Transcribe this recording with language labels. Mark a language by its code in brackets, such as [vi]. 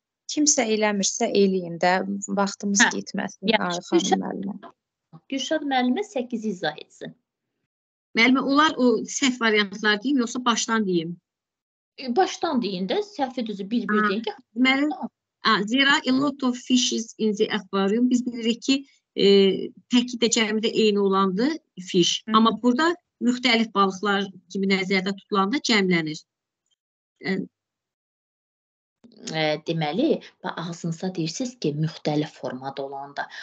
[az] Kimsə eləmirsə eləyin də vaxtımız getməsin. Gülşad müəllimə 8 izah etsin. Məlumə, onlar o səhv variantlar deyim, yoxsa başdan deyim? Başdan deyin də, səhvi düzü bir-bir deyin ki. [en] Zira a lot of fishes in the aquarium. [az] Biz bilirik ki, təki də cəmi də eyni olandı fish. Hı. Amma burada müxtəlif balıqlar kimi nəzərdə tutulanda cəmlənir. Deməli, ağzınıza deyirsiniz ki, müxtəlif formada olanda.